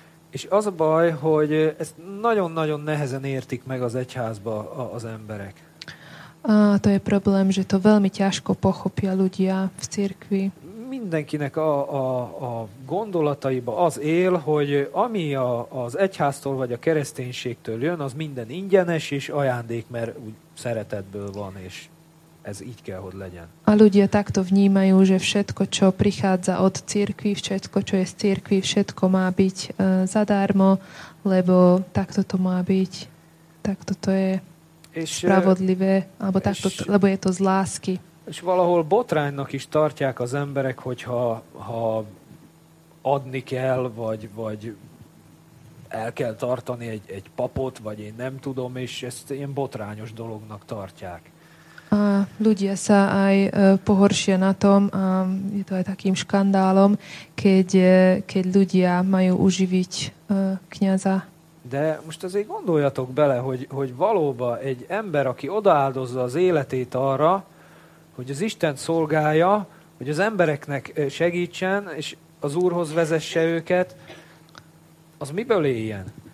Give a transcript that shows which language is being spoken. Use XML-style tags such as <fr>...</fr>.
<hu>És az a baj, hogy ezt nagyon-nagyon nehezen értik meg az egyházba az emberek.</hu> <sk>A to je problém, že to veľmi ťažko pochopia ľudia v cirkvi.</sk> <hu>Mindenkinek a gondolataiba az él, hogy ami az egyháztól vagy a kereszténységtől jön, az minden ingyenes és ajándék, mert úgy szeretetből van, és ez így kell, hogy legyen.</hu> <sk>A ľudia takto vnímajú, že všetko, čo prichádza od cirkvi, všetko, čo je z cirkvi, všetko má byť zadarmo, lebo takto to má byť, takto to je spravodlivé, alebo takto, lebo je to z lásky.</sk> <hu>És valahol botránynak is tartják az emberek, hogyha adni kell, vagy el kell tartani egy papot, vagy én nem tudom, és ezt ilyen botrányos dolognak tartják.</hu> <sk>A ľudia sa aj pohoršia na tom, a je to aj takým škandálom, keď ľudia majú uživiť kňaza.</sk> <hu>De most azért gondoljatok bele, hogy valóban egy ember, aki odaáldozza az életét arra, hogy az Isten szolgálja, hogy az embereknek segítsen, és az Úrhoz vezesse őket, az miből éljen?</hu>